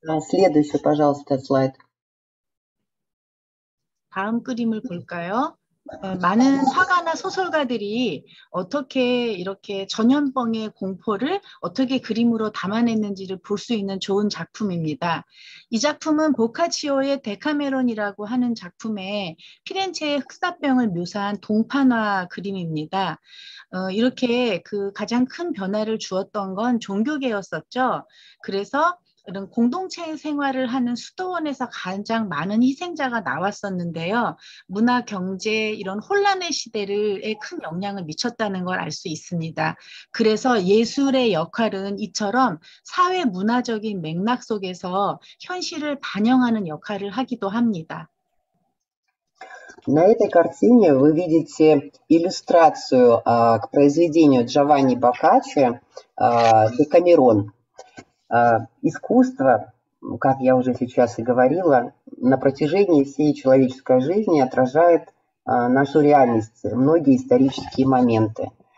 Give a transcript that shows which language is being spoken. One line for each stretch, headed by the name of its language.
Russian: Следующий, пожалуйста, слайд.
Korean: 다음 그림을 볼까요? 많은 화가나 소설가들이 어떻게 이렇게 전염병의 공포를 어떻게 그림으로 담아냈는지를 볼 수 있는 좋은 작품입니다. 이 작품은 보카치오의 데카메론이라고 하는 작품에 피렌체의 흑사병을 묘사한 동판화 그림입니다. 이렇게 그 가장 큰 변화를 주었던 건 종교계였었죠. 그래서 이런 공동체 생활을 하는 수도원에서 가장 많은 희생자가 나왔었는데요. 문화, 경제 이런 혼란의 시대에 큰 영향을 미쳤다는 걸 알 수 있습니다. 그래서 예술의 역할은 이처럼 사회 문화적인 맥락 속에서 현실을 반영하는 역할을 하기도 합니다.
Russian: На этой картине вы видите иллюстрацию к произведению Джованни Боккаччи «Декамерон». Искусство, как я уже сейчас и говорила, на протяжении всей человеческой жизни отражает нашу реальность, многие исторические моменты.